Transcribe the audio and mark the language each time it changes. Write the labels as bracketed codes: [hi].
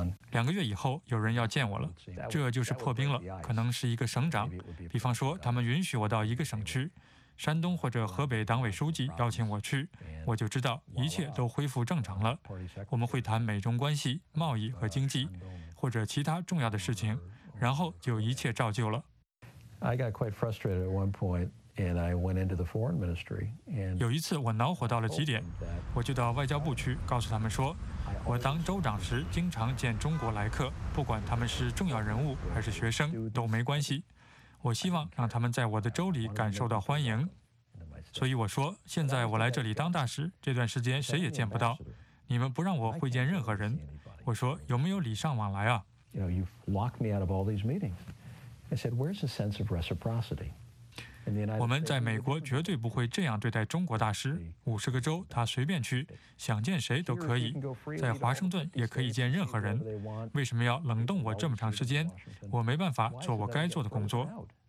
[zh] 两个月以后，有人要见我了，这就是破冰了，可能是一个省长，比方说他们允许我到一个省区，山东或者河北党委书记邀请我去，我就知道一切都恢复正常了。我们会谈美中关系、贸易和经济，或者其他重要的事情，然后就一切照旧了。 [en] I got quite frustrated at one point. And I went into the foreign ministry. [zh] 有一次我恼火到了极点，我就到外交部去告诉他们说，我当州长时经常见中国来客，不管他们是重要人物还是学生都没关系，我希望让他们在我的州里感受到欢迎。所以我说，现在我来这里当大使，这段时间谁也见不到，你们不让我会见任何人，我说有没有礼尚往来啊？ [en] You've locked me out of all these meetings. I said, where's the sense of reciprocity? [zh] 我们在美国绝对不会这样对待中国大使，五十个州他随便去，想见谁都可以，在华盛顿也可以见任何人，为什么要冷冻我这么长时间？我没办法做我该做的工作。